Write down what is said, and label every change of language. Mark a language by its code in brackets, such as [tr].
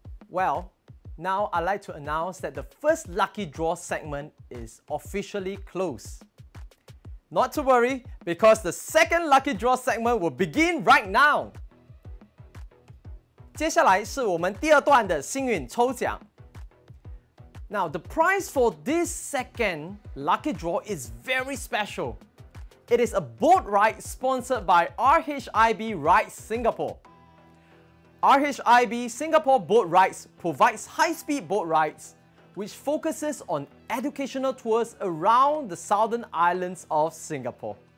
[en] Well, now I'd like to announce that the first lucky draw segment is officially closed. Not to worry, because the second lucky draw segment will begin right now. [zh] 接下来是我们第二段的幸运抽奖. [en] Now, the prize for this second lucky draw is very special. It is a boat ride sponsored by RHIB Rides Singapore. RHIB Singapore Boat Rides provides high-speed boat rides, which focuses on educational tours around the southern islands of Singapore.